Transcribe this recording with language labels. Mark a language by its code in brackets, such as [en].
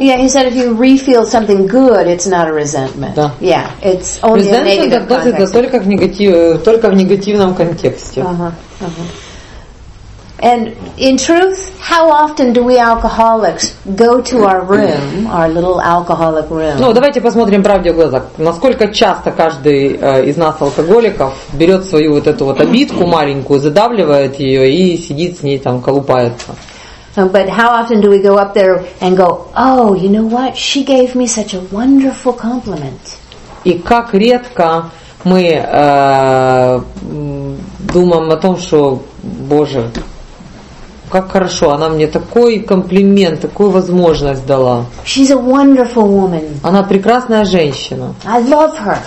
[en] Yeah, he said if you re-feel something good, it's not a resentment. [ru] Да. [en] Yeah, it's only resentment a negative context. [ru] Resentment относится только только в негативном контексте. [en] And in truth, how often do we alcoholics go to our room, our little alcoholic room? [ru] Ну, давайте посмотрим правде в глаза. Насколько часто каждый из нас алкоголиков берет свою вот эту вот обидку маленькую, задавливает ее и сидит с ней там, колупается. [en] But how often do we go up there and go, oh, you know what, she gave me such a wonderful compliment. [ru] И как редко мы думаем о том, что, боже, как хорошо, она мне такой комплимент, такую возможность дала. [en] She's a wonderful woman. [ru] Она прекрасная женщина. [en] I love her.